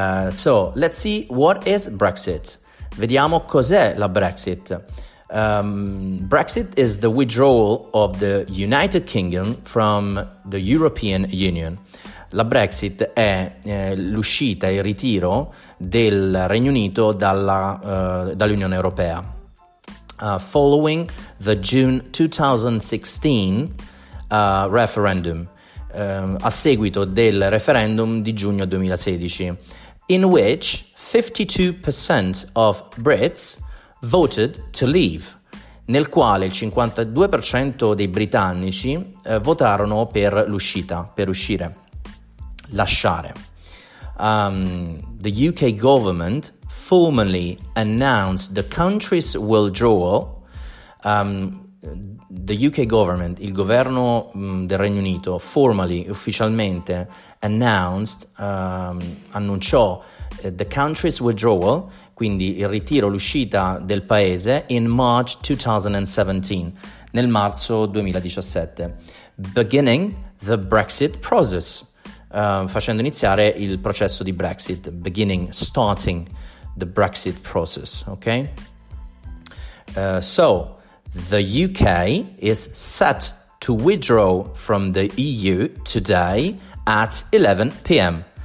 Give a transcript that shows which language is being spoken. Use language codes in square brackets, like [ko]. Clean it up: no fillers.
[en] So let's see what is Brexit. [it] Vediamo cos'è la Brexit. [en] Brexit is the withdrawal of the United Kingdom from the European Union. [it] La Brexit è l'uscita e il ritiro del Regno Unito dall'Unione Europea. [en] Following the June 2016 referendum, [it] a seguito del referendum di giugno 2016, [en] in which 52% of Brits voted to leave, [it] nel quale il 52% dei britannici votarono per l'uscita, per uscire, lasciare. [en] The UK government formally announced the country's withdrawal. The UK government, [it] il governo del Regno Unito, [en] formally, [it] ufficialmente, [en] announced, [it] annunciò [en] the country's withdrawal, [it] quindi il ritiro, l'uscita del paese, [en] in March 2017, [it] nel marzo 2017, [en] beginning the Brexit process, [it] facendo iniziare il processo di Brexit, [en] beginning, starting the Brexit process, okay? So, the UK is set to withdraw from the EU today at 11 p.m.